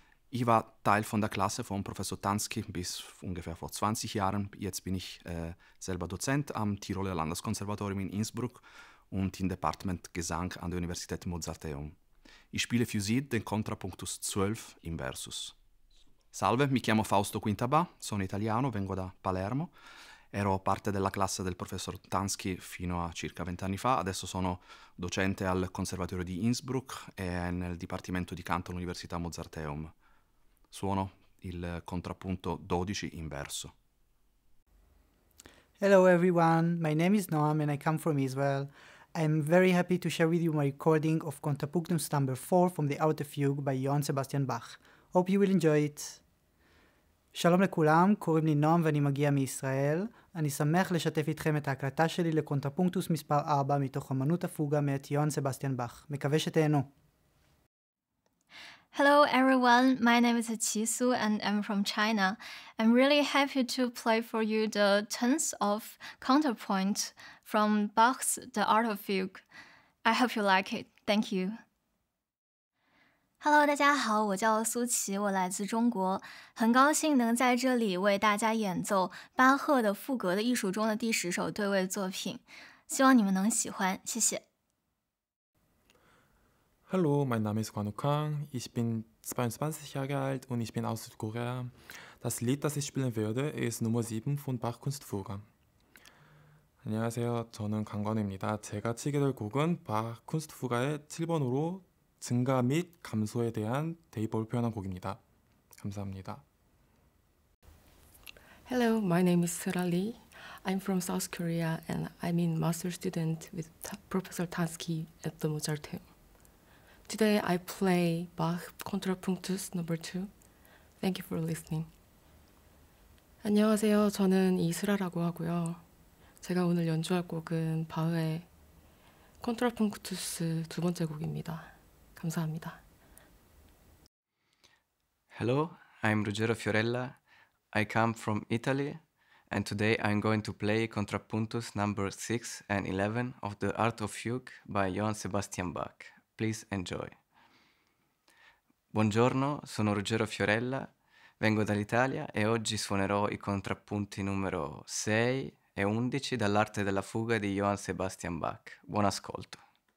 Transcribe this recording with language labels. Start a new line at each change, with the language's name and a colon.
German: Ich war Teil von der Klasse von Professor Tanski bis ungefähr vor 20 Jahren. Jetzt bin ich selber Dozent am Tiroler Landeskonservatorium in Innsbruck und im Department Gesang an der Universität Mozarteum. Ich spiele für Sie den Contrapuntos 12 im Versus.
Italian: Salve, mi chiamo Fausto Quintaba, sono italiano, vengo da Palermo. Ero parte della classe del professor Tanski fino a circa 20 anni fa. Adesso sono docente al Conservatorio di Innsbruck e nel Dipartimento di Canto all'Università Mozarteum. Suono il Contrapunto 12 in verso.
English: Hello everyone, my name is Noam and I come from Israel. I'm very happy to share with you my recording of Contrapuntos number 4 from the Art of Fugue by Johann Sebastian Bach. Hope you will enjoy it.
Hebrew: Shalom lekulam, קוראים לי נועם ואני מגיע מישראל. אני שמח לשתף איתכם את ההקלטה שלי לקונטרפונקטוס מספר 4 מתוך אמנות הפוגה מאת יוהאן סבסטיאן באך. מקווה שתהנו.
English: Hello everyone, my name is Qi Su and I'm from China. I'm really happy to play for you the 10th of Counterpoint from Bach's The Art of Fugue. I hope you like it. Thank you.
Chinese: Hello, 大家好,我叫苏琪,我来自中国,很高兴能在这里为大家演奏巴赫的赋格的艺术中的第十首对位作品,希望你们能喜欢,谢谢。
German: Hallo, mein Name ist Kwan Okang, ich bin 22 Jahre alt und ich bin aus Korea. Das Lied, das ich spielen werde, ist Nummer 7 von Bach Kunstfuge.
Korean: 안녕하세요. 저는 강건입니다. 제가 치게 될 곡은 바흐 쿤스트푸가의 7번으로 증가 및 감소에 대한 대입법을 표현한 곡입니다. 감사합니다.
English: Hello, my name is Seulah Lee. I'm from South Korea and I'm a master student with Professor Tanski at the Mozarteum. Today I play Bach Contrapuntus No. 2. Thank you for listening.
Korean: 안녕하세요. 저는 이슬아라고 하고요. 제가 오늘 연주할 곡은 바흐의 콘트라푼투스 두 번째 곡입니다. 감사합니다.
English: Hello, I'm Ruggero Fiorella. I come from Italy and today I'm going to play Contrapuntus number 6 and 11 of the Art of Fugue by Johann Sebastian Bach. Please enjoy.
Italian: Buongiorno, sono Ruggero Fiorella. Vengo dall'Italia e oggi suonerò i contrappunti numero 6 e 11 dall'Arte della Fuga di Johann Sebastian Bach. Buon ascolto.